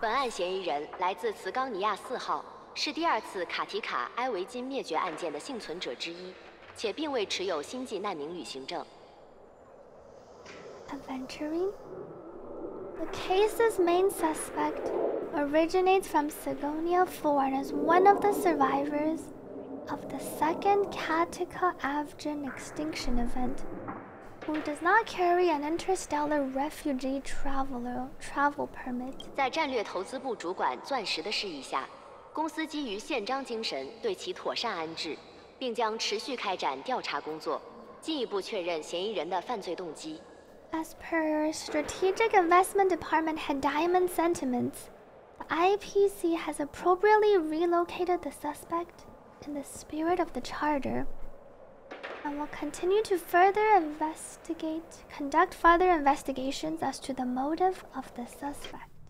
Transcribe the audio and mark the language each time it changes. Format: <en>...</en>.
<zh>本案嫌疑人来自茨冈尼亚四号，是第二次卡提卡埃维金灭绝案件的幸存者之一，且并未持有星际难民旅行证。</zh> <en>Aventurine? The case's main suspect originates from Sigonia 4 and is one of the survivors of the second Katika Avgen extinction event, who does not carry an interstellar refugee travel permit.</en> <zh>在战略投资部主管钻石的示意下，公司基于宪章精神对其妥善安置，并将持续开展调查工作，进一步确认嫌疑人的犯罪动机。</zh> <en>As per Strategic Investment Department Head Diamond Sentiments, the IPC has appropriately relocated the suspect in the spirit of the charter, and will continue to further investigate, conduct further investigations as to the motive of the suspect.</en>